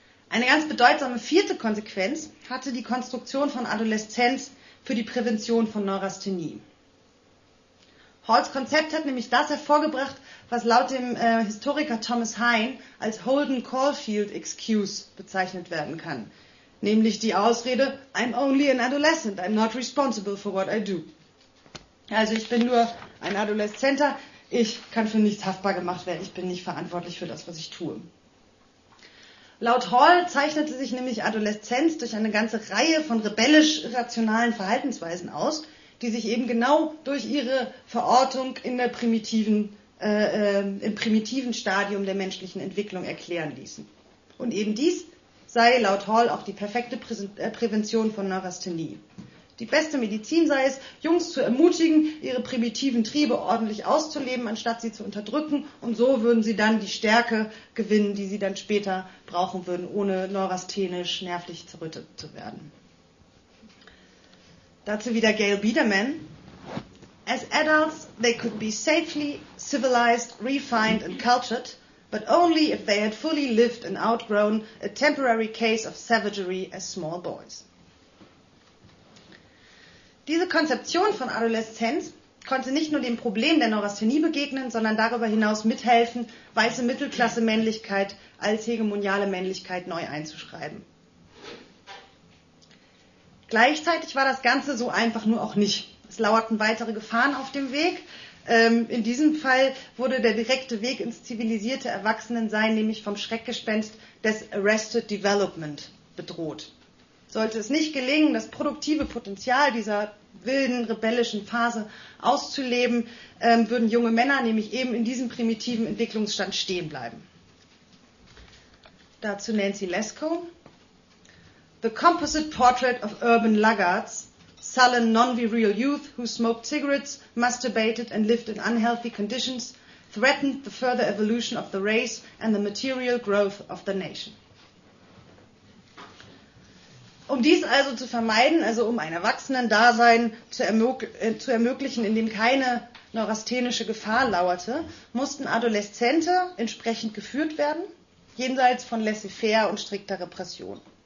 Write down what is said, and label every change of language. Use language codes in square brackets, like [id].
[de] Eine ganz bedeutsame vierte Konsequenz hatte die Konstruktion von Adoleszenz für die Prävention von Neurasthenie. Halls Konzept hat nämlich das hervorgebracht, was laut dem Historiker Thomas Hine als Holden Caulfield Excuse bezeichnet werden kann. Nämlich die Ausrede, [en] I'm only an adolescent, I'm not responsible for what I do. [de] Also ich bin nur ein Adoleszenter, ich kann für nichts haftbar gemacht werden, ich bin nicht verantwortlich für das, was ich tue. Laut Hall zeichnete sich nämlich Adoleszenz durch eine ganze Reihe von rebellisch-rationalen Verhaltensweisen aus, die sich eben genau durch ihre Verortung in der im primitiven Stadium der menschlichen Entwicklung erklären ließen. Und eben dies sei laut Hall auch die perfekte Prävention von Neurasthenie. Die beste Medizin sei es, Jungs zu ermutigen, ihre primitiven Triebe ordentlich auszuleben, anstatt sie zu unterdrücken. Und so würden sie dann die Stärke gewinnen, die sie dann später brauchen würden, ohne neurasthenisch nervlich zerrüttet zu werden. Dazu wieder Gail Biederman. [en] As adults, they could be safely civilized, refined and cultured, but only if they had fully lived and outgrown a temporary case of savagery as small boys. [de] Diese Konzeption von Adoleszenz konnte nicht nur dem Problem der Neurasthenie begegnen, sondern darüber hinaus mithelfen, weiße Mittelklasse-Männlichkeit als hegemoniale Männlichkeit neu einzuschreiben. Gleichzeitig war das Ganze so einfach nur auch nicht. Es lauerten weitere Gefahren auf dem Weg. In diesem Fall wurde der direkte Weg ins zivilisierte Erwachsenensein nämlich vom Schreckgespenst des Arrested Development bedroht. Sollte es nicht gelingen, das produktive Potenzial dieser wilden, rebellischen Phase auszuleben, würden junge Männer nämlich eben in diesem primitiven Entwicklungsstand stehen bleiben. Dazu Nancy Lesko. [en] The composite portrait of urban laggards, sullen, non-virile youth who smoked cigarettes, masturbated and lived in unhealthy conditions, threatened the further evolution of the race and the material growth of the nation. [de] Um dies also zu vermeiden, also um ein Erwachsenendasein zu ermöglichen, in dem keine neurasthenische Gefahr lauerte, mussten Adoleszente entsprechend geführt werden, jenseits von laissez-faire und strikter Repression.